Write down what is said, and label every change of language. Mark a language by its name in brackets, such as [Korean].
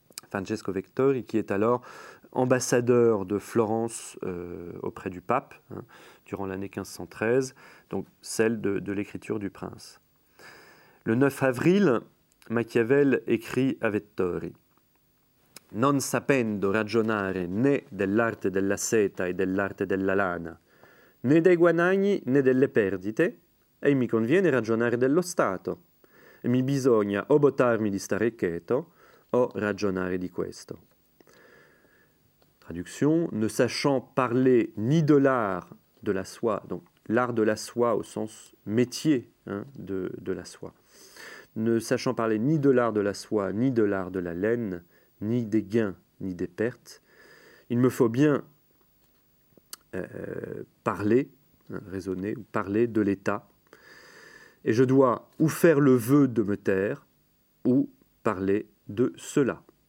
[French] Francesco Vettori, qui est alors ambassadeur de Florence auprès du pape, hein, durant l'année 1513, donc celle de l'écriture du prince. Le 9 avril, Machiavel écrit à Vettori. [Italian] non sapendo ragionare né dell'arte della seta e dell'arte della lana, né dei guadagni né delle perdite, e mi conviene ragionare dello Stato, e mi bisogna o botarmi di stare cheto o ragionare di questo. [French] Traduction, ne sachant parler ni de l'art de la soie, donc l'art de la soie au sens métier hein, de la soie, ne sachant parler ni de l'art de la soie, ni de l'art de la laine, ni des gains, ni des pertes, il me faut bien parler, hein, raisonner, parler de l'État, et je dois ou faire le vœu de me taire, ou parler de cela.